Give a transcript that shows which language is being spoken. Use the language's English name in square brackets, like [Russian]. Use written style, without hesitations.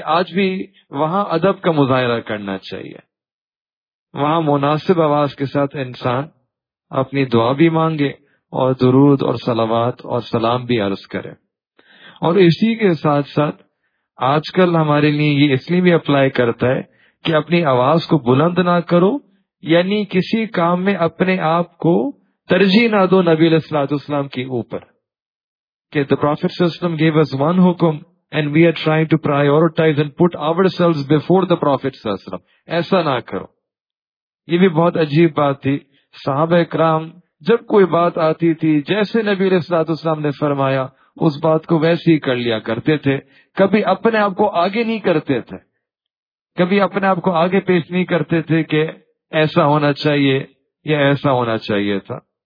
[Urdu] آج بھی وہاں ادب کا مظاہرہ کرنا چاہیے, وہاں مناسب آواز کے ساتھ انسان اپنی دعا بھی مانگے اور درود اور صلوات اور سلام بھی عرض کرے. اور اسی کے ساتھ ساتھ آج کل ہمارے لیے یہ اس لیے بھی اپلائی کرتا ہے کہ اپنی آواز کو بلند نہ کرو, یعنی کسی کام میں اپنے آپ کو ترجیح نہ دو نبی علیہ الصلوۃ والسلام کے اوپر. [English] کہ the Prophet صلی اللہ علیہ وسلم gave us one hukum and we are trying to prioritize and put ourselves before the Prophet صلی اللہ علیہ وسلم. [Urdu] ایسا نہ کرو, یہ بھی بہت عجیب بات تھی، صحابہ اکرام جب کوئی بات آتی تھی جیسے نبی علیہ الصلوۃ والسلام نے فرمایا اس بات کو ویسے ہی کر لیا کرتے تھے، کبھی اپنے آپ کو آگے نہیں کرتے تھے، کبھی اپنے آپ کو آگے پیش نہیں کرتے تھے کہ ایسا ہونا چاہیے یا ایسا ہونا چاہیے تھا.